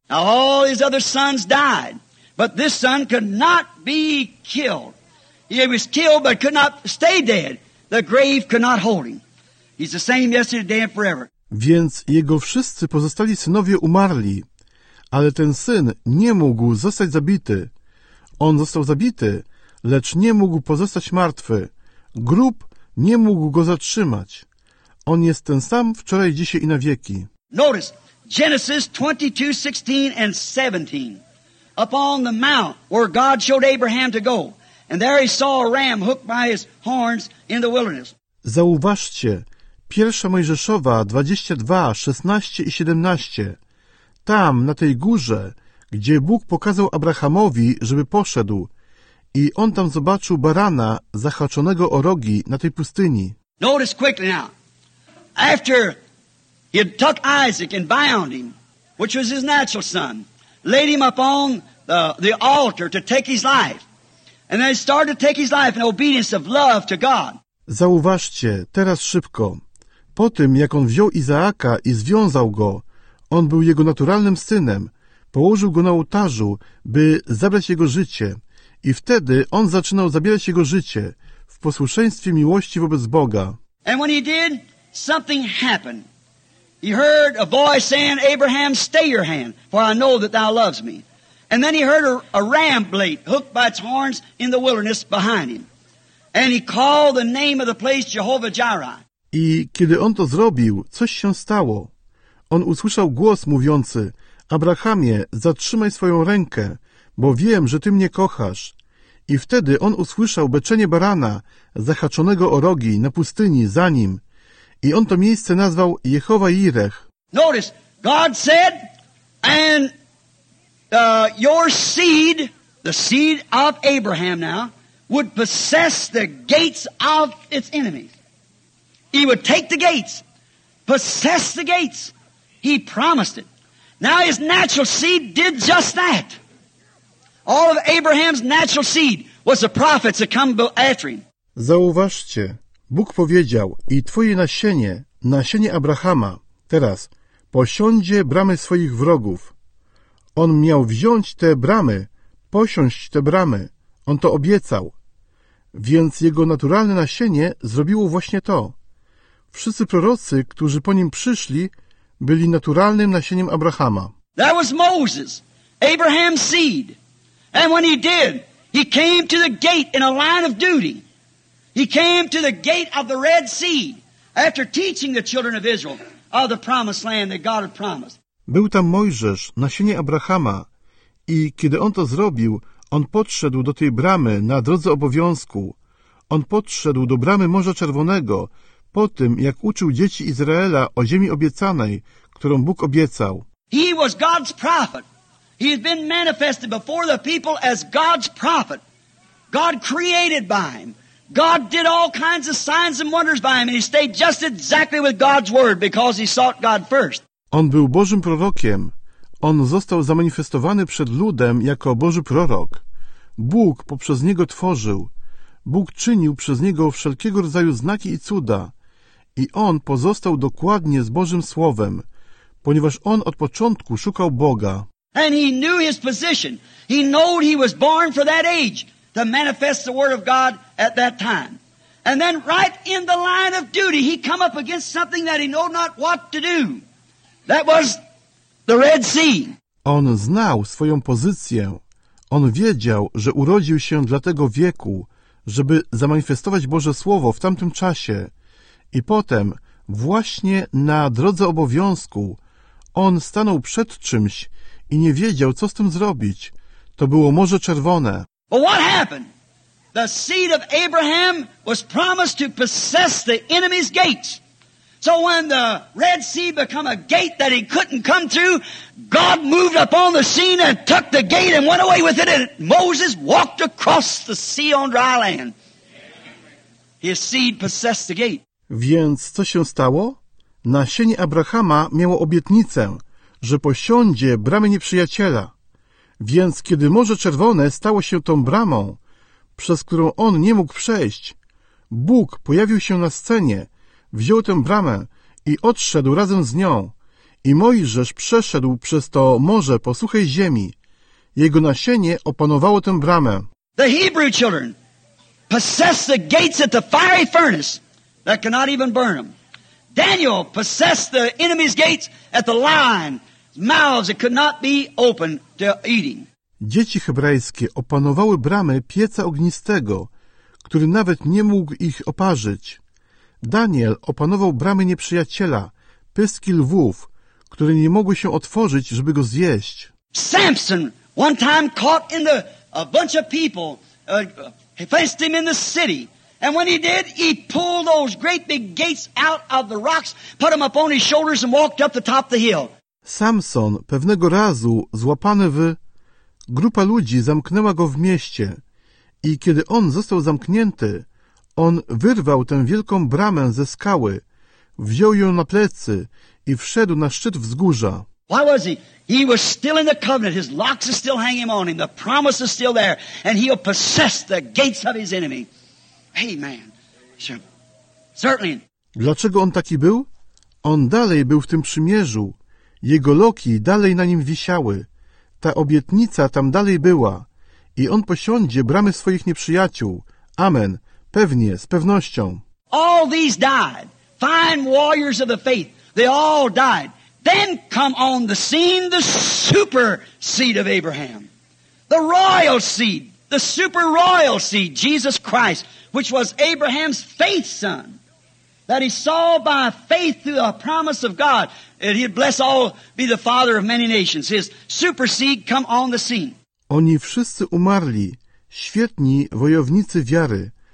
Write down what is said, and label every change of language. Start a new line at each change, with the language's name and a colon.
English: Now all his other sons died. But this son could not be killed. He was killed but could not stay dead. The grave could not hold him. He's the same yesterday and forever.
Polish: Więc jego wszyscy pozostali synowie umarli, ale ten syn nie mógł zostać zabity. On został zabity, lecz nie mógł pozostać martwy. Grób nie mógł go zatrzymać. On jest ten sam wczoraj, dzisiaj i na wieki.
English: Notice Genesis 22:16-17. Upon the mount where God showed Abraham to go, and there he saw a ram hooked by his horns in the wilderness.
Polish: Zauważcie, pierwsza Mojżeszowa 22:16-17. Tam, na tej górze, gdzie Bóg pokazał Abrahamowi, żeby poszedł, i on tam zobaczył barana zahaczonego o rogi na tej pustyni.
English: Notice quickly now. After he had took Isaac and bound him, which was his natural son, laid him up on the altar to take his life, and then he started to take his life in obedience of love to God.
Polish: Zauważcie, teraz szybko. Po tym, jak on wziął Izaaka i związał go, on był jego naturalnym synem, położył go na ołtarzu, by zabrać jego życie, i wtedy on zaczynał zabierać jego życie w posłuszeństwie miłości wobec Boga.
English: And when he did, something happened. He heard a voice saying, Abraham, stay your hand, for I know that thou loves me. And then he heard a ram bleat hooked by its horns in the wilderness behind him. And he called the name of the place Jehovah Jireh.
Polish: I kiedy on to zrobił, coś się stało. On usłyszał głos mówiący, Abrahamie, zatrzymaj swoją rękę, bo wiem, że ty mnie kochasz. I wtedy on usłyszał beczenie barana, zahaczonego o rogi na pustyni za nim. I on to miejsce nazwał Jehowa Jireh.
English: Notice, God said, and your seed, the seed of Abraham now, would possess the gates of its enemies. He would take the gates, possess the gates. He promised it. Now his natural seed did just that. All of Abraham's natural seed was the prophets that come after him.
Polish: Zauważcie. Bóg powiedział, i twoje nasienie, nasienie Abrahama, teraz, posiądzie bramy swoich wrogów. On miał wziąć te bramy, posiąść te bramy. On to obiecał. Więc jego naturalne nasienie zrobiło właśnie to. Wszyscy prorocy, którzy po nim przyszli, byli naturalnym nasieniem Abrahama.
English: That was Moses, Abraham's seed. And when he did, he came to the gate in a line of duty. He came to the gate of the Red Sea after teaching the children of Israel of the promised land that God had promised.
Polish: Był tam Mojżesz, nasienie Abrahama, i kiedy on to zrobił, on podszedł do tej bramy na drodze obowiązku. On podszedł do bramy Morza Czerwonego po tym, jak uczył dzieci Izraela o ziemi obiecanej, którą Bóg obiecał.
English: He was God's prophet. He had been manifested before the people as God's prophet. God created by him. God did all kinds of signs and wonders by him, and he stayed just exactly with God's word because he sought God first.
Polish: On był Bożym prorokiem. On został zamanifestowany przed ludem jako Boży prorok. Bóg poprzez niego tworzył. Bóg czynił przez niego wszelkiego rodzaju znaki i cuda. I on pozostał dokładnie z Bożym słowem, ponieważ on od początku szukał Boga.
English: And he knew his position. He knew he was born for that age. To manifest the word of God at that time. And then right in the line of duty, he come up against something that he knew not what to do. That was the Red Sea.
Polish: On znał swoją pozycję. On wiedział, że urodził się dla tego wieku, żeby zamanifestować Boże Słowo w tamtym czasie. I potem, właśnie na drodze obowiązku, on stanął przed czymś i nie wiedział, co z tym zrobić. To było Morze Czerwone.
English: But what happened? The seed of Abraham was promised to possess the enemy's gates. So when the Red Sea became a gate that he couldn't come through, God moved up on the scene and took the gate and went away with it. And Moses walked across the sea on dry land. His seed possessed the gate.
Polish: Więc co się stało? Nasienie Abrahama miało obietnicę, że posiądzie bramy nieprzyjaciela. Więc kiedy Morze Czerwone stało się tą bramą, przez którą on nie mógł przejść, Bóg pojawił się na scenie, wziął tę bramę i odszedł razem z nią. I Mojżesz przeszedł przez to morze po suchej ziemi. Jego nasienie opanowało tę bramę.
English: The Hebrew children possessed the gates at the fiery furnace that cannot even burn them. Daniel possessed the enemy's gates at the lion's mouths that could not be opened to eating.
Polish: Dzieci hebrajskie opanowały bramę pieca ognistego, który nawet nie mógł ich oparzyć. Daniel opanował bramy nieprzyjaciela, pyski lwów, które nie mogły się otworzyć, żeby go zjeść.
English: Samson one time caught in the a bunch of people he faced him in the city. And when he did, he pulled those great big gates out of the rocks, put them up on his shoulders and walked up the top of the hill.
Polish: Samson pewnego razu złapany w grupa ludzi zamknęła go w mieście. I kiedy on został zamknięty, on wyrwał tę wielką bramę ze skały, wziął ją na plecy i wszedł na szczyt wzgórza.
English: Why was he? He was still in the covenant. His locks are still hanging on him. The promise is still there. And he'll possess the gates of his enemy. Amen. Certainly.
Polish: Dlaczego on taki był? On dalej był w tym przymierzu. Jego loki dalej na nim wisiały. Ta obietnica tam dalej była. I on posiądzie bramy swoich nieprzyjaciół. Amen. Pewnie, z pewnością.
English: All these died. Fine warriors of the faith. They all died. Then come on the scene the super seed of Abraham. The royal seed. The super royal seed, Jesus Christ, which was Abraham's faith son. That he saw by faith through the promise of God. And he'd bless all, be the father of many nations. His super seed come on the scene.
Polish: Oni wszyscy umarli, świetni wojownicy wiary.